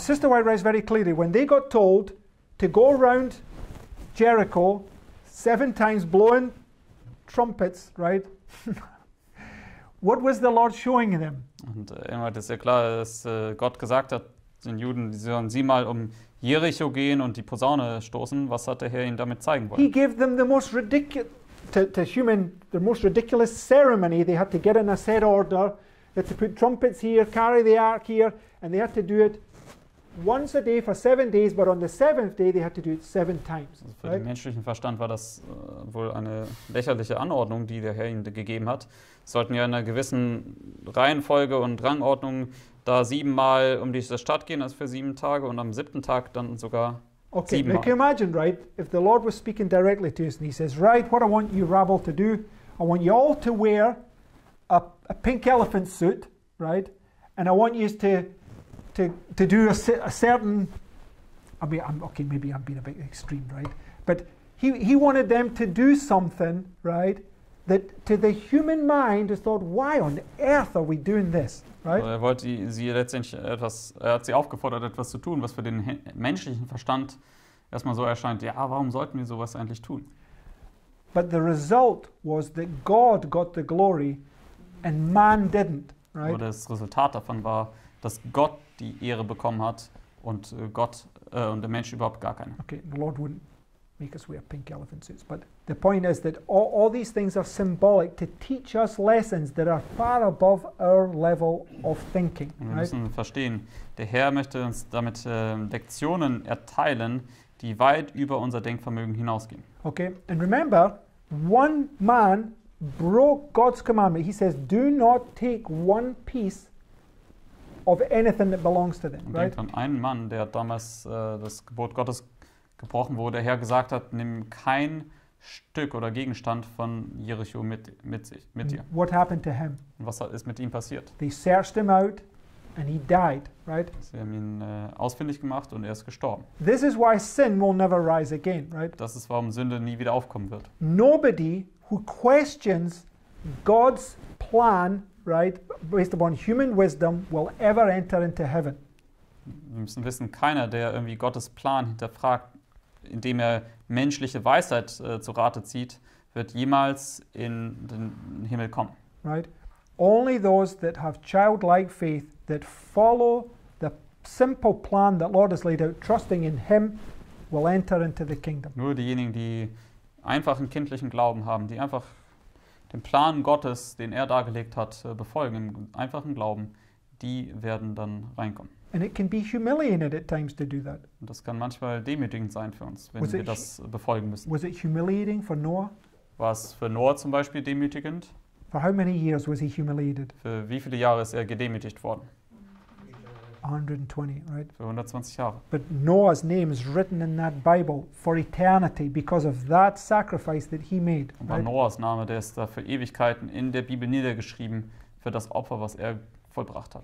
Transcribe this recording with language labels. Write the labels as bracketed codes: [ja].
[en] The Sister White writes very clearly, when they got told to go around Jericho 7 times blowing trumpets, right? What was the Lord showing them? [de] Und immer ist sehr klar, dass Gott gesagt hat, den Juden, die sollen sie mal um Jericho gehen und die Posaune stoßen. Was hat der Herr ihnen damit zeigen wollen? [en] He gave them the most ridiculous the most ridiculous ceremony. They had to get in a set order. They had to put trumpets here, carry the ark here, and they had to do it once a day for 7 days, but on the 7th day they had to do it 7 times. [de] Also für den menschlichen Verstand war das wohl eine lächerliche Anordnung, die der Herr ihnen gegeben hat. Sie sollten ja in einer gewissen Reihenfolge und Rangordnung da 7 Mal um diese Stadt gehen, also für 7 Tage, und am 7. Tag dann sogar. [en] Okay, now can you imagine, right, if the Lord was speaking directly to us and he says, right, what I want you rabble to do, I want you all to wear a pink elephant suit, right, and I want you to do maybe I'm being a bit extreme, right, but he wanted them to do something, right, that to the human mind is thought, why on earth are we doing this? [de] Also er wollte sie letztendlich etwas, er hat sie aufgefordert, etwas zu tun, was für den menschlichen Verstand erstmal so erscheint, ja, warum sollten wir sowas eigentlich tun? [en] But the result was that God got the glory and man didn't, right? [de] Aber das Resultat davon war, dass Gott die Ehre bekommen hat und Gott und der Mensch überhaupt gar keine. [en] Okay, the Lord wouldn't make us wear pink elephant suits, but the point is that all these things are symbolic to teach us lessons that are far above our level of thinking. [de] Wir müssen verstehen, der Herr möchte uns damit Lektionen erteilen, die weit über unser Denkvermögen hinausgehen. [en] Okay, and remember, one man broke God's commandment. He says, do not take one piece of anything that belongs to them, right? [de] Denkt an einen Mann, der damals das Gebot Gottes gebrochen, wo der Herr gesagt hat, nimm kein Stück oder Gegenstand von Jericho mit dir. [en] What happened to him? [de] Was ist mit ihm passiert? [en] They searched him out and he died, right? [de] Sie haben ihn ausfindig gemacht und er ist gestorben. [en] This is why sin will never rise again, right? [de] Das ist, warum Sünde nie wieder aufkommen wird. [en] Nobody who questions God's plan, right, based upon human wisdom, will ever enter into heaven. [de] Wir müssen wissen, keiner, der irgendwie Gottes Plan hinterfragt, indem er menschliche Weisheit zu Rate zieht, wird jemals in den Himmel kommen. [en] Right? Only those that have childlike faith, that follow the simple plan that Lord has laid out, trusting in Him, will enter into the kingdom. [de] Nur diejenigen, die einfachen kindlichen Glauben haben, die einfach den Plan Gottes, den er dargelegt hat, befolgen, im einfachen Glauben, die werden dann reinkommen. [en] And it can be humiliating at times to do that. [de] Und das kann manchmal demütigend sein für uns, wenn wir das befolgen müssen. [en] Was it humiliating for Noah? [de] War es für Noah zum Beispiel demütigend? [en] For how many years was he humiliated? [de] Für wie viele Jahre ist er gedemütigt worden? [en] 120, right? [de] Für 120 Jahre. [en] But Noah's name is written in that Bible for eternity because of that sacrifice that he made. [de] Aber [en] right? [de] Noahs Name, der ist da für Ewigkeiten in der Bibel niedergeschrieben für das Opfer, was er vollbracht hat.